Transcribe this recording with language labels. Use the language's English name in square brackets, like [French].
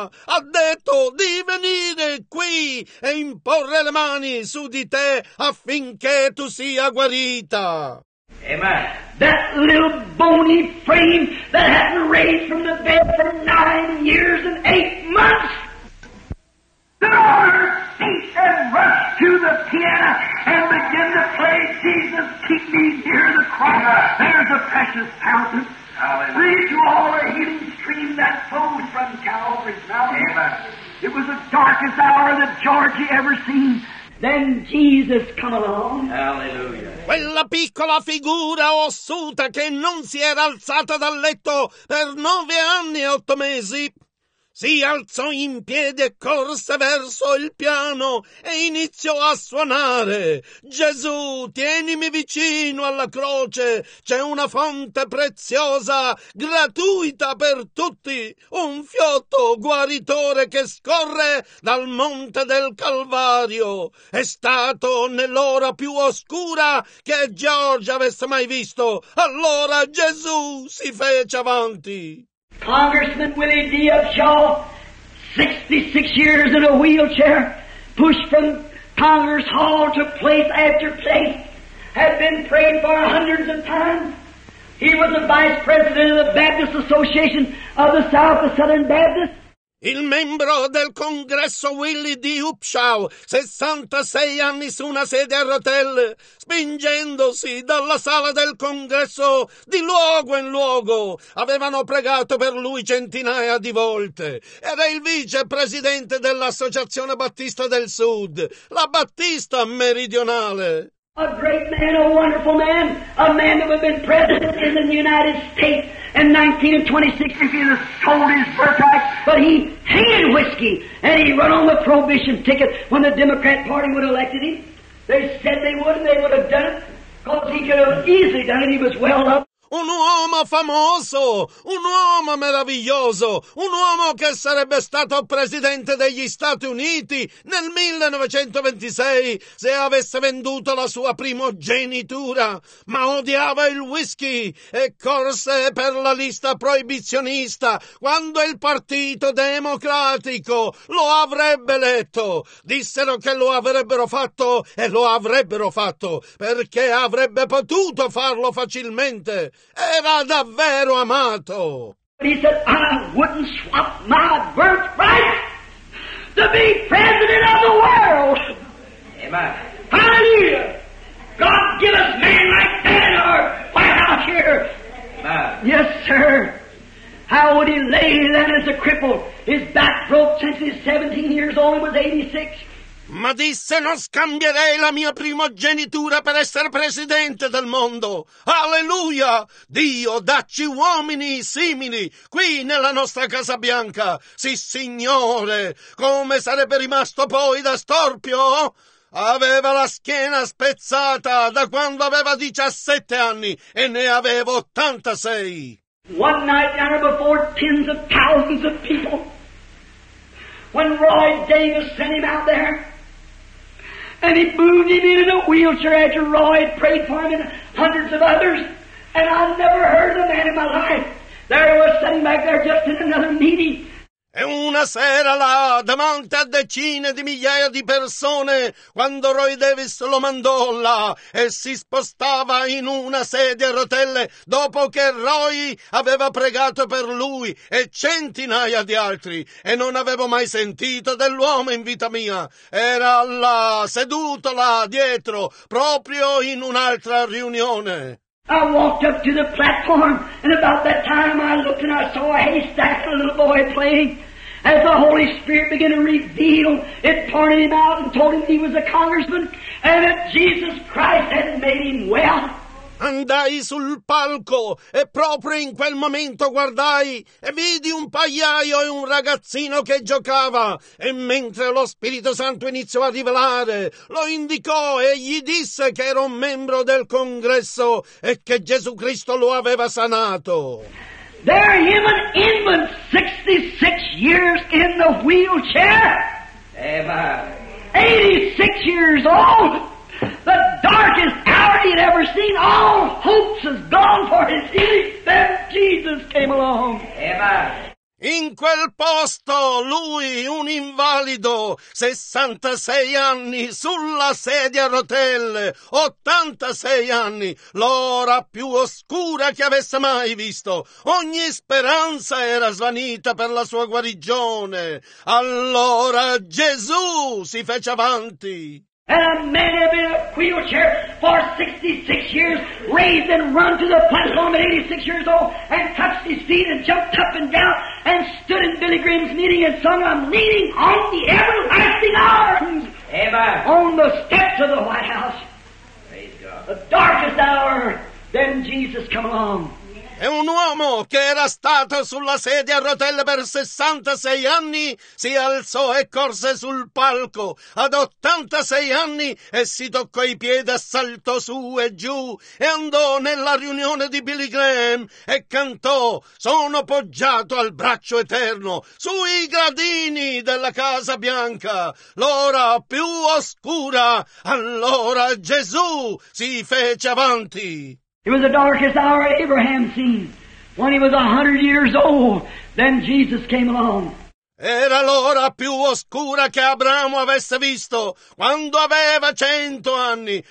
[Italian] Ha detto di venire qui e imporre le mani su di te affinché tu sia guarita." [English] Amen. That little bony frame that hadn't raised from the bed for 9 years and 8 months. The seat and rush to the piano and begin to play, "Jesus, keep me near the cross. There's a precious fountain. Lead to all the healing stream that flows from Calvary's mouth." Amen. It was the darkest hour that Georgie ever seen. Then Jesus come along. Hallelujah. [Italian] Quella piccola figura ossuta che non si era alzata dal letto per 9 anni e 8 mesi si alzò in piedi e corse verso il piano e iniziò a suonare. "Gesù, tienimi vicino alla croce, c'è una fonte preziosa, gratuita per tutti, un fiotto guaritore che scorre dal monte del Calvario." È stato nell'ora più oscura che George avesse mai visto. Allora Gesù si fece avanti. [English] Congressman Willie D. of Shaw, 66 years in a wheelchair, pushed from Congress Hall to place after place, had been prayed for hundreds of times. He was the vice president of the Baptist Association of the South, the Southern Baptist. [Italian] Il membro del congresso Willie D. Upshaw, 66 anni su una sedia a rotelle, spingendosi dalla sala del congresso di luogo in luogo, avevano pregato per lui centinaia di volte. Era il vicepresidente dell'Associazione Battista del Sud, la Battista Meridionale. [English] A great man, a wonderful man, a man that would have been president in the United States in 1926 if he had sold his birthright, but he hated whiskey, and he run on the prohibition ticket when the Democrat Party would have elected him. They said they would, and they would have done it, because he could have easily done it, he was well up. [Italian] Un uomo famoso, un uomo meraviglioso, un uomo che sarebbe stato presidente degli Stati Uniti nel 1926 se avesse venduto la sua primogenitura, ma odiava il whisky e corse per la lista proibizionista quando il Partito Democratico lo avrebbe eletto. Dissero che lo avrebbero fatto e lo avrebbero fatto perché avrebbe potuto farlo facilmente. Era davvero amato. [English] He said, I wouldn't swap my birthright to be president of the world. Amen. Hallelujah. God give us men like that in our White House here. Amen. Yes, sir. How would he lay that as a cripple? His back broke since he was 17 years old and was 86. [Italian] Ma disse, non scambierei la mia primogenitura per essere presidente del mondo. Alleluia! Dio, dacci uomini simili qui nella nostra Casa Bianca. Sì, Signore, come sarebbe rimasto poi da storpio? Aveva la schiena spezzata da quando aveva 17 anni e ne avevo 86. [English] One night down before tens of thousands of people, when Roy Davis sent him out there, and he moved him in a wheelchair after Roy prayed for him and hundreds of others. And I never heard of a man in my life. There he was sitting back there just in another meeting. [Italian] E una sera là, davanti a decine di migliaia di persone, quando Roy Davis lo mandò là e si spostava in una sedia a rotelle dopo che Roy aveva pregato per lui e centinaia di altri, e non avevo mai sentito dell'uomo in vita mia, era là, seduto là dietro, proprio in un'altra riunione. [English] I walked up to the platform, and about that time I looked and I saw a haystack and a little boy playing. As the Holy Spirit began to reveal, it pointed him out and told him he was a congressman, and that Jesus Christ had made him well. [Italian] Andai sul palco e proprio in quel momento guardai e vidi un pagliaio e un ragazzino che giocava. E mentre lo Spirito Santo iniziò a rivelare, lo indicò e gli disse che era un membro del congresso e che Gesù Cristo lo aveva sanato. [English] There him an infant, 66 years in the wheelchair. Eva. 86 years old. The darkest hour he had ever seen. All hopes is gone for his healing. Then Jesus came along. Amen. [Italian] In quel posto, lui, un invalido, 66 anni, sulla sedia a rotelle, 86 anni, l'ora più oscura che avesse mai visto. Ogni speranza era svanita per la sua guarigione. Allora Gesù si fece avanti. [English] And a man had been in a wheelchair for 66 years, raised and run to the platform at 86 years old, and touched his feet and jumped up and down, and stood in Billy Graham's meeting and sung, I'm leaning on the everlasting arms. Amen. On the steps of the White House. Praise God. The darkest hour, then Jesus come along. [Italian] E un uomo che era stato sulla sedia a rotelle per 66 anni si alzò e corse sul palco ad 86 anni e si toccò i piedi e saltò su e giù e andò nella riunione di Billy Graham e cantò «Sono poggiato al braccio eterno sui gradini della Casa Bianca, l'ora più oscura, allora Gesù si fece avanti». [English] It was the darkest hour Abraham seen. When he was 100 years old, then Jesus came along. [Italian] Era l'ora più oscura che Abramo avesse visto quando aveva 100 anni.